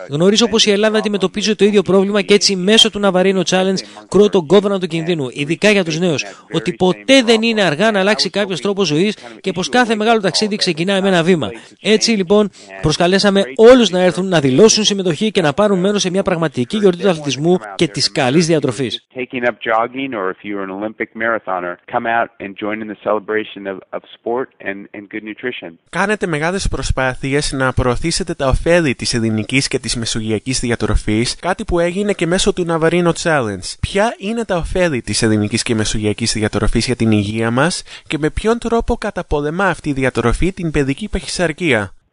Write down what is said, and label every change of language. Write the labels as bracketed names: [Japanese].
[Greek] Γνωρίζω πως η Ελλάδα αντιμετωπίζει το ίδιο πρόβλημα και έτσι μέσω του Ναβαρίνο Challenge κρούω τον κόβωνα του κινδύνου, ειδικά για τους νέους, ότι ποτέ δεν είναι αργά να αλλάξει κάποιος τρόπος ζωής και πως κάθε μεγάλο ταξίδι ξεκινάει με ένα βήμα. Έτσι λοιπόν, προσκαλέσαμε όλους να έρθουν να δηλώσουν συμμετοχή και να πάρουν μέρος σε μια πραγματική γιορτή του αθλητισμού και της καλής διατροφής. [English] Taking up jogging or if you're an Olympic marathoner, come out and join in the celebration of sport and good nutrition. [Greek] Κάνετε μεγάλες προσπάθειες να προωθήσετε τα ωφέλη της ελληνικής και της μεσογειακής διατροφής, κάτι που έγινε και μέσω του Ναβαρίνο Challenge. Ποια είναι τα ωφέλη της ελληνικής και μεσογειακής διατροφής για την υγεία μας και με ποιον τρόπο καταπολεμά αυτή η διατροφή την παιδική παχυσαρκία?